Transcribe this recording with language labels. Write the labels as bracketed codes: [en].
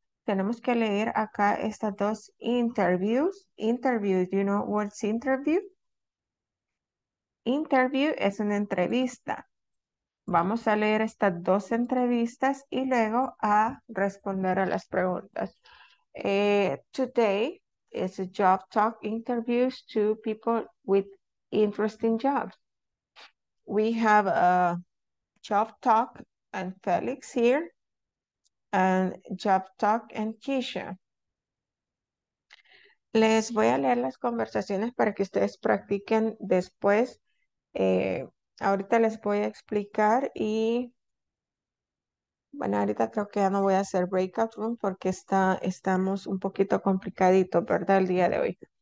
[es] Tenemos que leer acá estas dos interviews. [en] Interview, do you know what's interview? Interview [es] es una entrevista. Vamos a leer estas dos entrevistas y luego a responder a las preguntas. [en] Today is a job talk interviews to people with interesting jobs. We have a job talk and Felix here. And Job Talk and Keisha. [es] Les voy a leer las conversaciones para que ustedes practiquen después. Ahorita les voy a explicar y bueno, ahorita creo que ya no voy a hacer breakout room porque estamos un poquito complicadito, ¿verdad? El día de hoy.